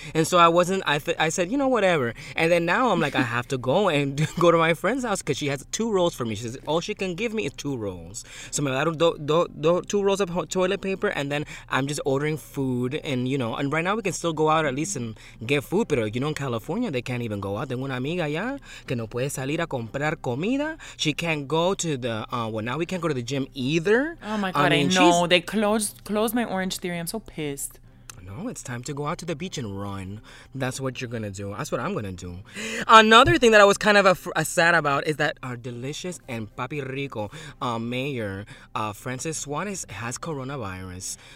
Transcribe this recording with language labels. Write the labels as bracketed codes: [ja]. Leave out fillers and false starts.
[en] And so I said, you know, whatever. And then now I'm like, I have to go and go to my friend's house because she has two rolls for me. She says, all she can give me is two rolls. So [es] me daron [en] two rolls of toilet paper, and then I'm just ordering food. And, you know, and right now we can still go out at least and get food. [es] Pero, [en] you know, in California, they can't even go out. [es] Tengo una amiga allá que no puede salir a comprar comida. [en] She can't go to the, now we can't go to the gym either. Oh my God, I know. They closed my Orange Theory. I'm so pissed. No, it's time to go out to the beach and run. That's what you're going to do. That's what I'm going to do. Another thing that I was kind of sad about is that our delicious and Papi Rico mayor, Francis Suarez, has coronavirus.